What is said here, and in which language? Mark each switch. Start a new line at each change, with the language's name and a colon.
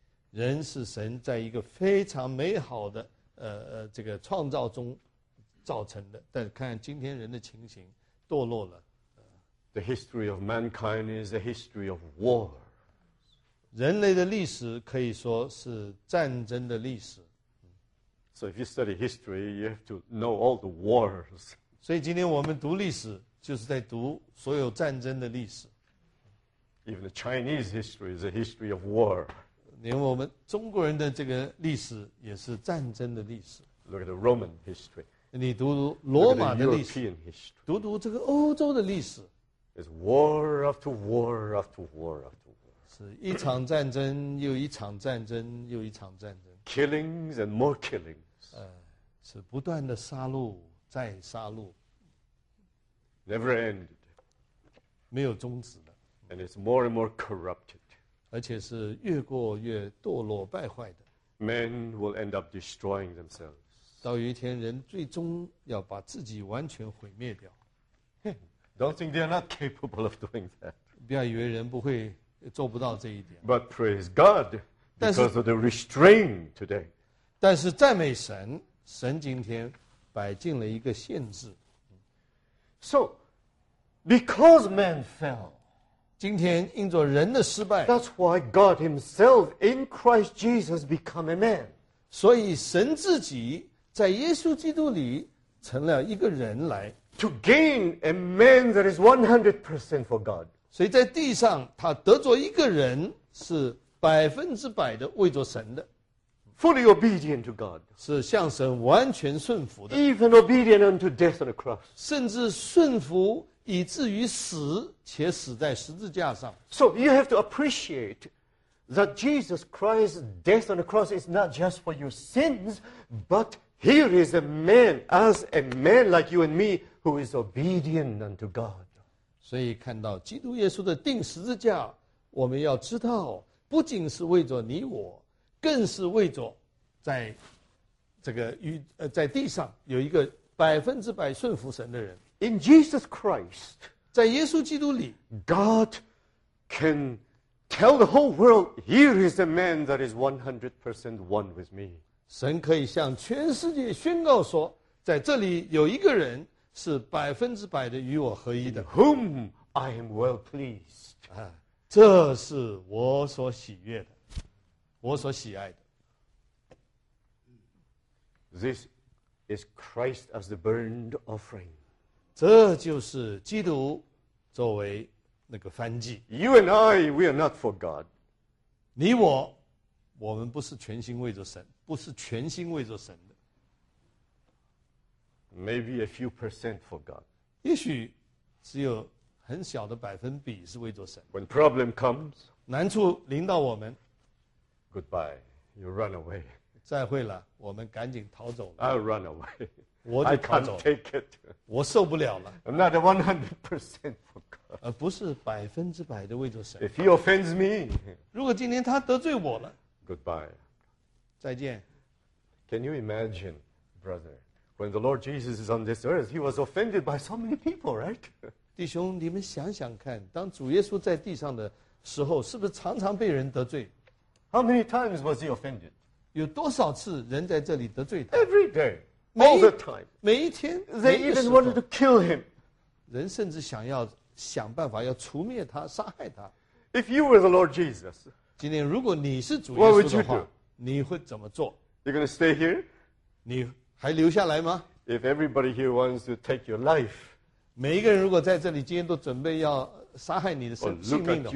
Chinese: 人是神在一个非常美好的这个创造中造成的，但看今天人的情形，堕落了。
English: The history of mankind is a history of war.
Chinese: 人类的历史可以说是战争的历史。
English: So if you study history, you have to know all the wars.
Chinese: 所以今天我们读历史就是在读所有战争的历史。
English: Even the Chinese history is a history of war.
Chinese: 连我们中国人的这个历史也是战争的历史。
English: Look at the Roman history.
Chinese: 你读读罗马的历史。
English: Look at the European history.
Chinese: 读读这个欧洲的历史。
English: It's war after war after war after war.
Chinese: 是一场战争又一场战争又一场战争。
English: Killings and more killings.
Chinese: 是不断的杀戮再杀戮
English: ，never ended，
Chinese: 没有终止的
English: ，and it's more and more corrupted，
Chinese: 而且是越过越堕落败坏的
English: ，men will end up destroying themselves，
Chinese: 到有一天人最终要把自己完全毁灭掉
English: ，don't think they are not capable of doing that，
Chinese: 不要以为人不会做不到这一点
English: ，but praise God because of the restraint today，
Chinese: 但是赞美神。神今天摆进了一个限制
English: So because man fell
Chinese: 今天因着人的失败
English: That's why God himself in Christ Jesus become a man
Chinese: 所以神自己在耶稣基督里成了一个人来
English: To gain a man that is 100% for God
Chinese: 所以在地上他得着一个人是百分之百的为着神的
English: Fully obedient to God.
Chinese: 是向神完全顺服的
English: Even obedient unto death on the cross.
Chinese: 甚至顺服以至于死且死在十字架上
English: So you have to appreciate that Jesus Christ's death on the cross is not just for your sins, but here is a man, as a man like you and me, who is obedient unto God.
Chinese: 所以看到基督耶稣的钉十字架，我们要知道，不仅是为着你我。更是为着在这个在地上有一个百分之百顺服神的人。
English: In Jesus Christ,
Chinese: 在耶稣基督里
English: ，God can tell the whole world, "Here is a man that is 100% one with me."
Chinese: 神可以向全世界宣告说，在这里有一个人是百分之百的与我合一的。
English: In whom I am well pleased. 啊，
Chinese: 这是我所喜悦的。我所喜爱的。
English: This is Christ as the burnt offering.
Chinese: 这就是基督作为那个燔祭。
English: You and I, we are not for God.
Chinese: 你我，我们不是全心为着神，不是全心为着神的。
English: Maybe a few percent for God.
Chinese: 也许只有很小的百分比是为着神。
English: When problem comes,
Chinese: 难处临到我们。
English: Goodbye, you run away.
Chinese: 再会了，我们赶紧逃走了。
English: I'll run away.
Chinese: 我就跑走了。
English: I can't take it.
Chinese: 我受不了了。
English: I'm not 100% for God.
Chinese: 不是百分之百的为着神。
English: If he offends me,
Chinese: 如果今天他得罪我了。
English: Goodbye.
Chinese: 再见。
English: Can you imagine, brother, when the Lord Jesus is on this earth, he was offended by so many people, right?
Chinese: 弟兄，你们想想看，当主耶稣在地上的时候，是不是常常被人得罪？
English: How many times was he offended?
Chinese: 有多少次人在这里得罪他
English: ？Every day, all the time.
Chinese: 每一天
English: ，They even wanted to kill him.
Chinese: 人甚至想要想办法要除灭他，杀害他。
English: If you were the Lord Jesus,
Chinese: 今天如果你是主耶稣的话
English: ，What would you do?
Chinese: 你会怎么做
English: ？You're going to stay here?
Chinese: 你还留下来吗
English: ？If everybody here wants to take your life,
Chinese: 每一个人如果在这里今天都准备要杀害你的生命的话